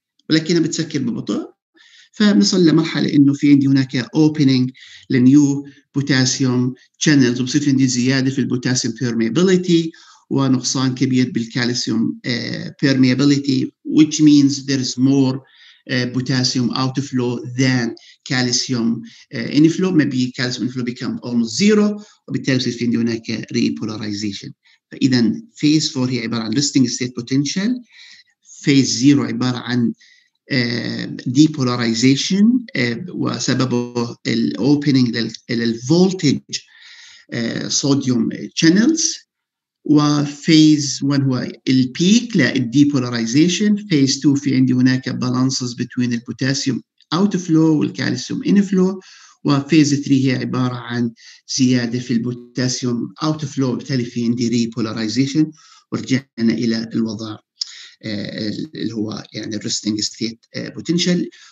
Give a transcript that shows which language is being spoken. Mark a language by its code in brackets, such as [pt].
[ar] ولكنها بتسكر ببطء، فبنصل لمرحلة إنه في عندي هناك opening لنيو potassium channels، وبصير في عندي زيادة في البوتاسيوم permeability ونقصان كبير بالكالسيوم permeability، [en] which means there is more potassium outflow than calcium inflow. Maybe calcium inflow become almost zero، [ar] وبالتالي بصير في عندي هناك [en] repolarization. [ar] فإذا فيز 4 هي عبارة عن resting state potential، فيز 0 عبارة عن depolarization وسببه الـ opening للـ voltage sodium channels، وفيز 1 هو الـ peak للـ depolarization، فيز 2 في عندي هناك balances between الـ potassium outflow والـ calcium inflow، وفيز 3 هي عبارة عن زيادة في البوتاسيوم out of flow، بالتالي في عندي repolarization، ورجعنا إلى الوضع اللي هو يعني resting state potential.